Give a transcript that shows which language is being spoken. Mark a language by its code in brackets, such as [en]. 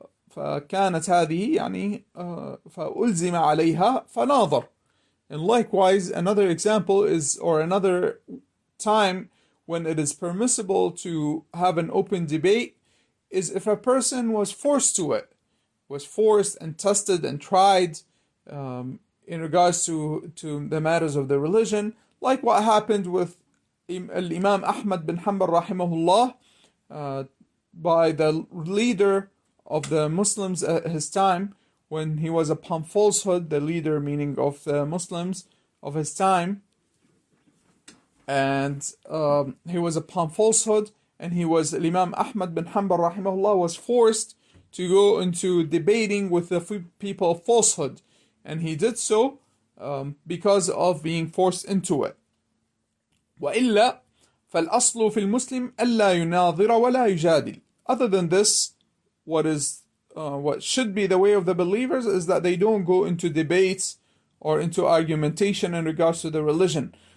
[ar] فكانت هذه يعني فألزم عليها فناظر. [en] And likewise, another example is, or another time when it is permissible to have an open debate is if a person was forced to it, was forced and tested and tried in regards to the matters of the religion, like what happened with Imam Ahmad bin Hanbal rahimahullah, by the leader of the Muslims at his time, when he was upon falsehood, the leader meaning of the Muslims of his time, and he was upon falsehood, and he was Imam Ahmad bin Hanbal rahimahullah was forced to go into debating with the people of falsehood, and he did so because of being forced into it. [ar] وإلا فالأصل في المسلم ألا يناظر ولا يجادل. [en] Other than this, what is what should be the way of the believers is that they don't go into debates or into argumentation in regards to the religion.